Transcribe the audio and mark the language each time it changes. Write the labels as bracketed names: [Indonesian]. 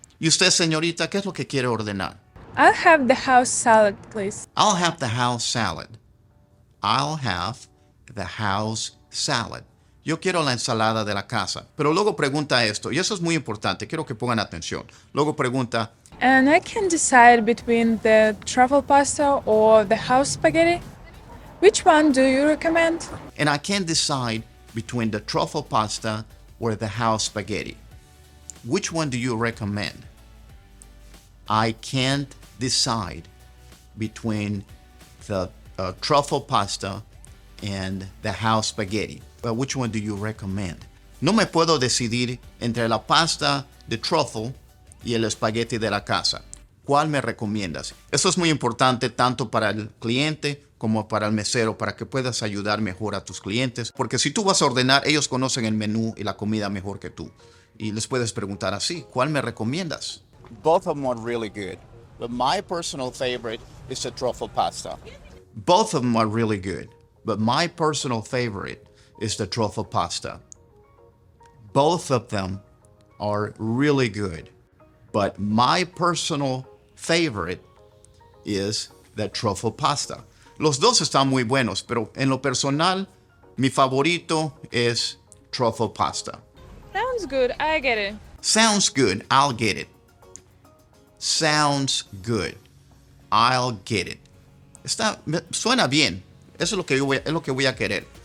[Spanish] ¿Y usted, señorita, qué es lo que quiere ordenar? [English] I'll have the house salad, please. I'll have the house salad. I'll have the house salad. [Spanish] Yo quiero la ensalada de la casa. Pero luego pregunta esto, y eso es muy importante, quiero que pongan atención. Luego pregunta, [English] and I can decide between the truffle pasta or the house spaghetti. Which one do you recommend? And I can decide between the truffle pasta or the house spaghetti. Which one do you recommend? I can't decide between the truffle pasta and the house spaghetti. But which one do you recommend? [Spanish] No me puedo decidir entre la pasta de truffle y el espagueti de la casa. ¿Cuál me recomiendas? Eso es muy importante tanto para el cliente como para el mesero, para que puedas ayudar mejor a tus clientes. Porque si tú vas a ordenar, ellos conocen el menú y la comida mejor que tú. y les puedes preguntar así, ¿cuál me recomiendas? [English] Both of them are really good, but my personal favorite is the truffle pasta. Both of them are really good, but my personal favorite is the truffle pasta. Both of them are really good, but my personal favorite is the truffle pasta. [Spanish] Los dos están muy buenos, pero en lo personal, mi favorito es truffle pasta. [English] Sounds good, I get it. Sounds good, I'll get it. Sounds good, I'll get it. [Spanish] Está, suena bien, eso es lo que yo voy, es lo que voy a querer.